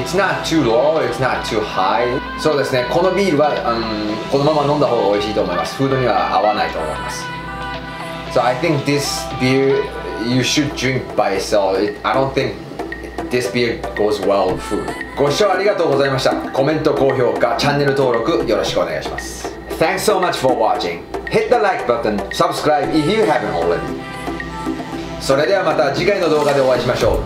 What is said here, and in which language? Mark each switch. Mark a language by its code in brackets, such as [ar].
[en] It's not too low, it's not too high. [ja] そうですね、このビールは、このまま飲んだ方が美味しいと思います。フードには合わないと思います。 [en] So I think this beer you should drink by itself. I don't think this beer goes well with food. [ja] ご視聴ありがとうございました。コメント、高評価、チャンネル登録よろしくお願いします。 [en] Thanks so much for watching. Hit the like button, subscribe if you haven't already. [ja] それではまた次回の動画でお会いしましょう。